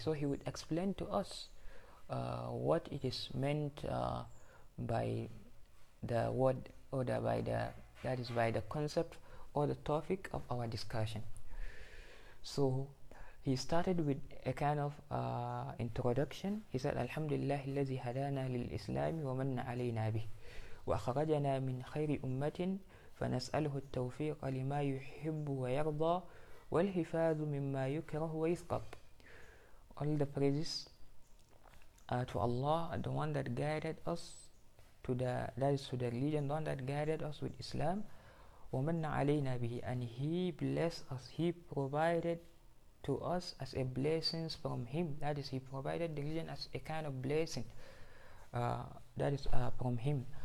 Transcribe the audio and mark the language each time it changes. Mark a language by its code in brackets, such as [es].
[en] So he would explain to us what it is meant by the word, or the, by the, that is by the concept or the topic of our discussion. So he started with a kind of introduction. He said, [ar] Alhamdulillah الذي هدانا للإسلام ومن علينا به وأخرجنا من خير أمة فنسأله التوفيق لما يحب ويرضى والحفاظ مما يكره ويسقط. [en] All the praises to Allah, the one that guided us to the, that is to the religion, the one that guided us with Islam. [ar] وَمَنَّ عَلَيْنَا بِهِ, [en] and he blessed us, he provided to us as a blessing from him, that is, he provided the religion as a kind of blessing, that is, from him.